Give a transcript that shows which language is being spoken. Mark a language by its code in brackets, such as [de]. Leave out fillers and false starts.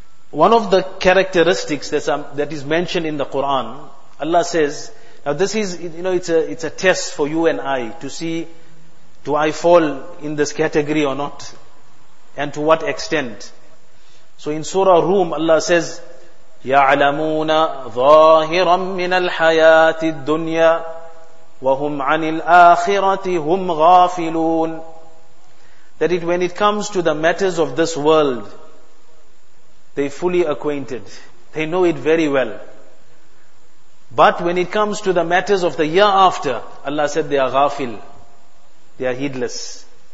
[en] One of the characteristics that is mentioned in the Quran, Allah says, now this is, you know, it's a test for you and I to see, do I fall in this category or not? And to what extent? So in Surah Rum, Allah says, [ar] يَعْلَمُونَ ظَاهِرًا مِّنَ الْحَيَاةِ الدُّنْيَا وَهُمْ عَنِ الْآخِرَةِ هُمْ غَافِلُونَ. [en] That it, when it comes to the matters of this world, they fully acquainted. They know it very well. But when it comes to the matters of the year after, Allah said they are ghafil. They are heedless.